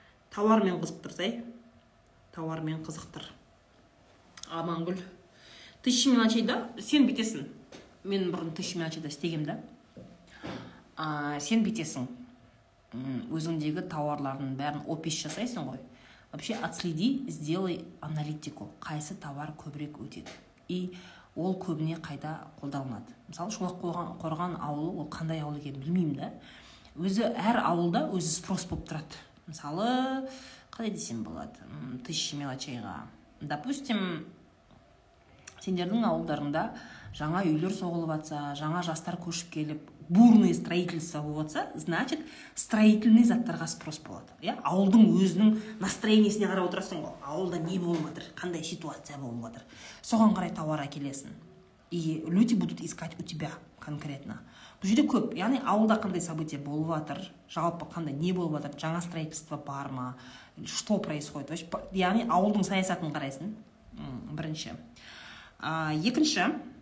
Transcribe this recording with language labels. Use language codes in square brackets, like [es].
[kk] Тауармен қызықтырсай. Тауармен қызықтыр. Амангүл. Тысячи мелочей да? Сен бітесің. Мен бұрын тысячи мелочей да істегем да? Сен бітесің. Өзіңдегі тауарларының бәрін опис жасайсың ғой. [ru] Вообще отследи, сделай аналитику. [kk] Қайсы товар көбірек өтеді? И ол көбіне қайда қолданылады? Мысалы, Шолақ қорған ауылы, ол қандай ауыл екенін білмеймін да. Өзі әр ауылда өзі спрос болып тұрады. Мысалы, қалай десем болады? Тысячи мелочайға. Допустим, сендердің ауылдарында жаңа үйлер соғылып жатса, жаңа жастар көшіп келіп, [ru] бурный строительство [kk] болса, значит, строительный заттарға спрос болады. Я ауылдың өзінің настроениесіне қарап отырасың ғой. Ауылда не болып жатыр? Қандай ситуация болып жатыр? Соған қарай тауар әкелесің. [ru] И люди будут искать у тебя конкретно. [kk] Бұл жерде көп, яғни ауылда қандай событие болып жатыр? Жалпы қандай не болып жатыр? Жаңа строительство бар ма? [ru] Что происходит? [kk] Яғни ауылдың саясатын қарайсың. Бірінші. Екінші.